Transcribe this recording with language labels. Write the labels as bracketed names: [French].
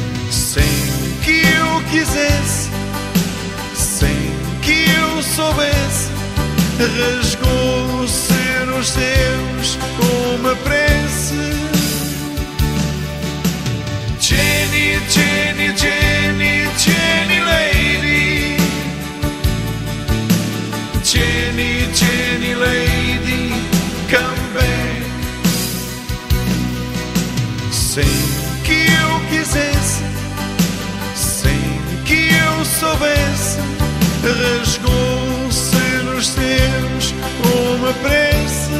[Portuguese] Sem que eu quisesse, sem que eu soubesse, rasgou-se nos céus uma prece. [English] Jenny, Jenny, Jenny, Jenny Lady, Jenny, Jenny Lady, come back. [Portuguese] Sem que eu quisesse, sem que eu soubesse, rasgou-se nos céus uma prece.